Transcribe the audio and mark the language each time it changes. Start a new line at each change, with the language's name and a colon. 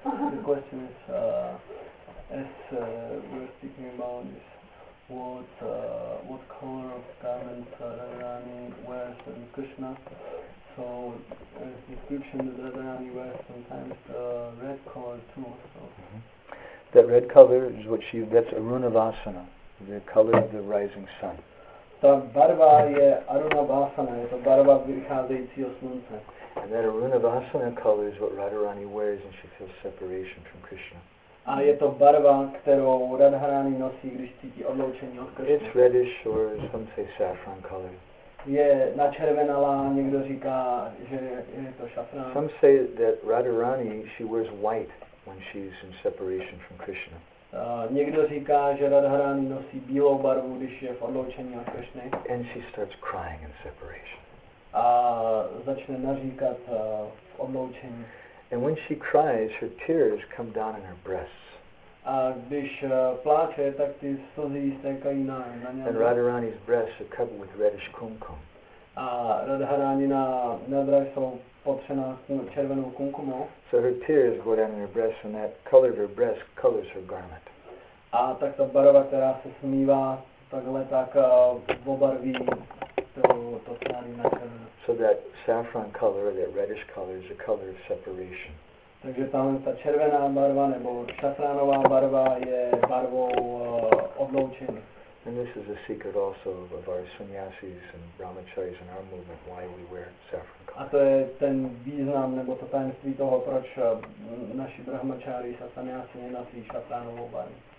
English: The question is, as we're speaking about this, what color of garment Radharani wears in Krishna? So, as description that Radharani wears sometimes the red color too. So. That red color is what she gets Arunavasana, the color of the rising sun.
Czech: Ta barva je Arunavasana, je to barva vycházejícího slunce.
English: And that Arunavasana color is what Radharani wears and she feels separation from Krishna.
Czech: A je to barva, kterou Radharani nosí, když cítí odloučení od Krishna.
English: It's reddish or some say saffron color.
Czech: Je načervenalá, někdo říká, že je to šafrán.
English: Some say that Radharani, she wears white when she's in separation from Krishna.
Czech: Někdo říká, že Radharani nosí bílou barvu, když je v odloučení od Krishna.
English: And she starts crying in separation.
Czech: A začne naříkat v odloučení.
English: And when she cries, her tears come down in her breasts.
Czech: A když pláče, tak ty slzy stékají na ně.
English: And Radharani's breasts are covered with reddish kumkum.
Czech: A Radharanina nádra jsou potřená červenou kumkumou.
English: So her tears go down in her breasts, and that color of her breast colors her garment.
Czech: A tak ta barva, která se smívá, takhle tak obarví to tkání na červenou.
English: So that saffron color, that reddish color, is a color of separation.
Czech: Takže tam ta červená barva nebo šafránová barva je barvou odloučení.
English: And this is a secret also of our sannyasis and brahmacharis and our movement, why we wear saffron color.
Czech: A to je ten význam nebo to tajemství toho, proč naši brahmacharis a sannyasi nenosí šafránovou barvu.